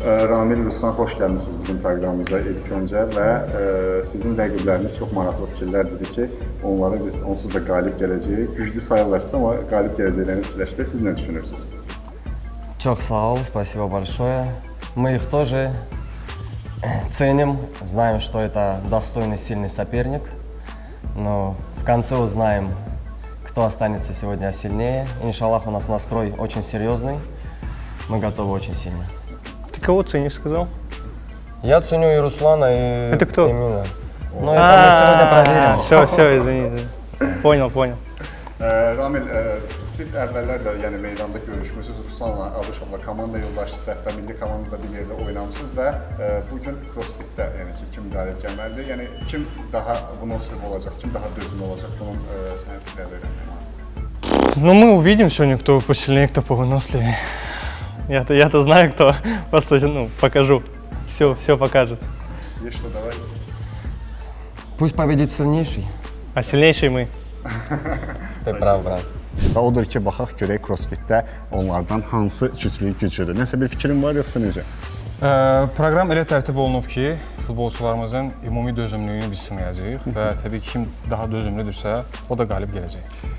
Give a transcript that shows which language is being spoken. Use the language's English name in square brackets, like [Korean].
[Azerbaijani] Ramil, Ruslan, xoş gəlmişsiniz bizim proqramımıza ilk öncə və sizin rəqibləriniz çox maraqlı fikirlər dedi ki, onları biz onsuz da qalib gələcəyik. Güclü sayırlar sizə, amma qalib gələcəklərini fikirləşdirək. Siz nə düşünürsünüz? Çox sağ ol, [Russian] спасибо большое. Мы их тоже ценим, знаем, что это достойный, сильный соперник. Но в конце узнаем, кто останется сегодня сильнее. Иншаллах, у нас настрой очень серьезный. Мы готовы очень сильно. Ты кого ценишь, сказал? Я ценю и Руслана, и Эмина. Это кто? Эмина. Но это мы сегодня проверим. Все, все, извини. Понял. [Azerbaijani] Ramil, siz əvvəllər də meydanda görüşmüşsünüz, Ruslanla, Abuşovla komanda yoldaşısınız, hətta milli komandada bir yerdə oynamışsınız və bugün crossfitdə kim qalib gəlməlidir, yəni kim daha bunun sırf olacaq, kim daha dözümlü olacaq, bunun sənə fikirlər verəm. [Russian] Ну, мы увидим сегодня, кто посильнее, кто повыносливее. Я-то знаю, кто. Просто, ну, покажу. Все покажет. Есть что, давай. Пусть победит сильнейший. А сильнейший мы. Ты прав, брат. Да, [Azerbaijani] odur ki, baxaq görək crossfitdə onlardan hansı cütlüyü güclüdür. Nəsə bir fikrin var yoxsa necə? Proqram elə tərtib olunub ki, futbolçularımızın ümumi dözümlüyünü biz sınayacaq və təbii ki, kim daha dözümlüdürsə, o da qalib gələcək.